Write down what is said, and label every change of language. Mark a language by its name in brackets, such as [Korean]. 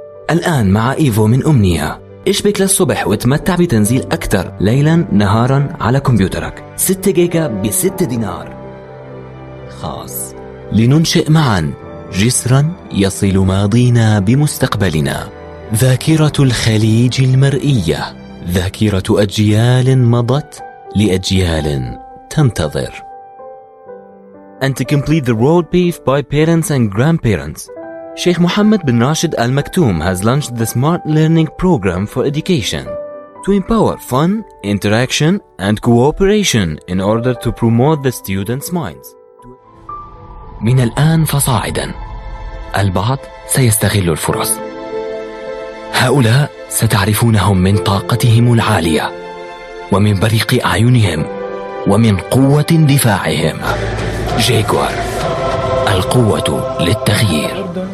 [Arabic] الآن مع إيفو من أمنية، اشبك للصبح وتمتع بتنزيل أكثر ليلا نهارا على كمبيوترك، 6 جيجا ب6 دينار خاص. لننشئ معا جسرا يصل ماضينا بمستقبلنا. ذاكرة الخليج المرئية، ذاكرة أجيال مضت لأجيال تنتظر. [English] And to complete the road paved by parents and grandparents, Sheikh Mohammed bin Rashid Al Maktoum has launched the Smart Learning Program for Education to empower fun, interaction and cooperation in order to promote the students' minds. [Arabic] من الآن فصاعدا، البعض سيستغل الفرص، هؤلاء ستعرفونهم من طاقتهم العالية ومن بريق أعينهم ومن قوة دفاعهم. جيكوار، القوة للتغيير.